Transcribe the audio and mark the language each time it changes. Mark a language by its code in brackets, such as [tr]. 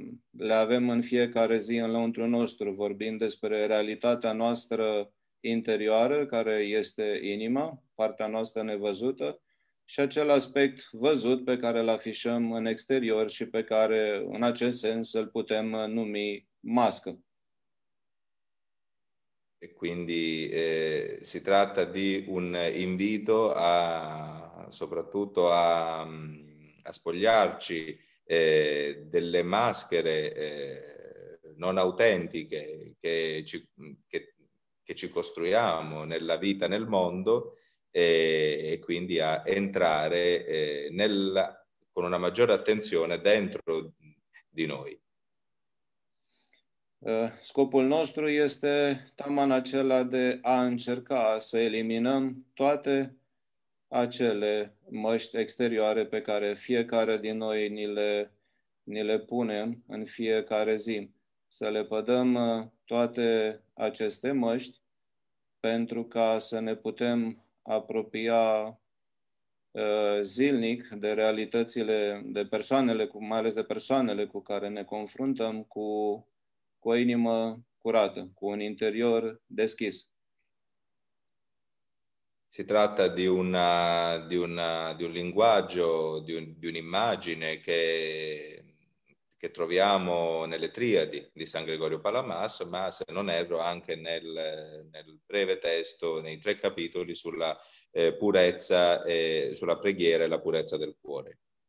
[ro] le avem în fiecare zi în lăuntru nostru, vorbind despre realitatea noastră interioară, care este inima, partea noastră nevăzută, și acel aspect văzut pe care îl afișăm în exterior și pe care, în acest sens, îl putem numi mască. [it] E quindi si tratta di un invito a soprattutto a spogliarci delle maschere non autentiche che ci costruiamo nella vita, nel mondo, e quindi a entrare con una maggiore attenzione dentro di noi. [ro] Scopul nostru este taman acela de a încerca să eliminăm toate acele măști exterioare pe care fiecare din noi ni le punem în fiecare zi. Să lepădăm toate aceste măști pentru ca să ne putem apropia zilnic de realitățile, de persoanele, mai ales de persoanele cu care ne confruntăm, cu o inimă curată, cu un interior deschis. [it] Si tratta di un linguaggio, di un'immagine che troviamo nelle triadi di San Gregorio Palamas, ma se non erro anche nel breve testo, nei tre capitoli sulla purezza, sulla preghiera e la purezza del cuore.